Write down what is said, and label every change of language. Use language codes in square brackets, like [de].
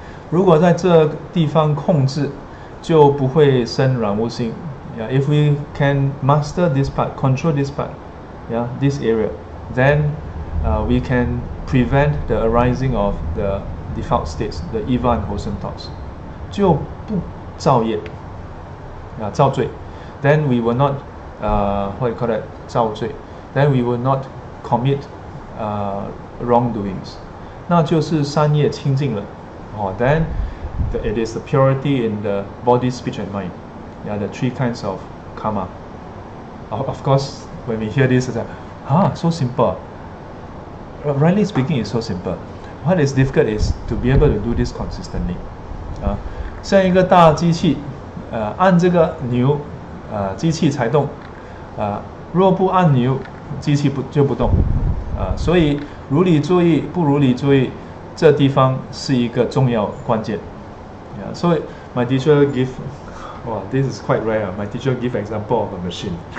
[zh] 如果在这地方控制, 就不会生染污心. [en] Yeah, if we can master this part, control this part, yeah, this area, then we can prevent the arising of the default states, the evil and wholesome thoughts. [zh] 就不造业, [en] yeah, [zh] 造罪, [en] then we will not, what you call that, 造罪, then we will not commit wrongdoings. [zh] 那就是三业清净了, [en] then it is the purity in the body, speech and mind. Yeah, the three kinds of karma. Of course, when we hear this, it's like, so simple. Rightly speaking, it's so simple. What is difficult is to be able to do this consistently. [zh] 像一个大机器, 按这个钮, 机器才动, 若不按钮, 机器就不动. 所以如理注意, 不如理注意, 这地方是一个重要关键. [en] Yeah, so my teacher give, this is quite rare. My teacher give example of a machine.